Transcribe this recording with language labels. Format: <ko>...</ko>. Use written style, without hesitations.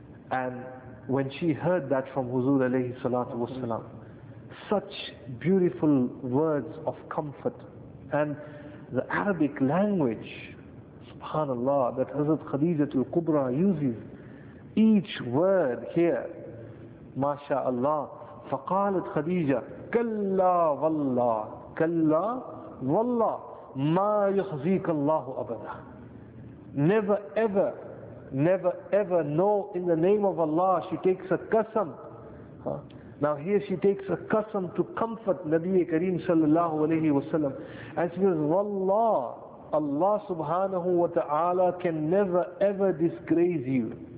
<en>And when she heard that from Huzur alayhi salatu wasalam, such beautiful words of comfort, and the Arabic language, subhanallah, that Hazrat Khadijah al-Kubra uses, each word here, Masha Allah.</en> <ar>فقالت خديجة كلا والله كلا والله ما يخزيك الله أبدا.</ar> <en>Never ever know in the name of Allah. She takes a qasam. Now here she takes a qasam to comfort Nabi Kareem sallallahu alayhi wasallam, and she says, والله, Allah subhanahu wa ta'ala can never ever disgrace you.</en>